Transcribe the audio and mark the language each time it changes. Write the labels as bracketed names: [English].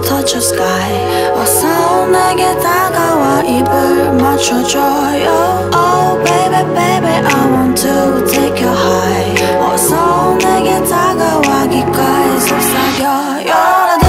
[Korean] 내게 다가와 입을 맞춰줘요. [English] Oh baby baby I want to take you high. [Korean] 어서 내게 다가와 귓가에 속삭여요.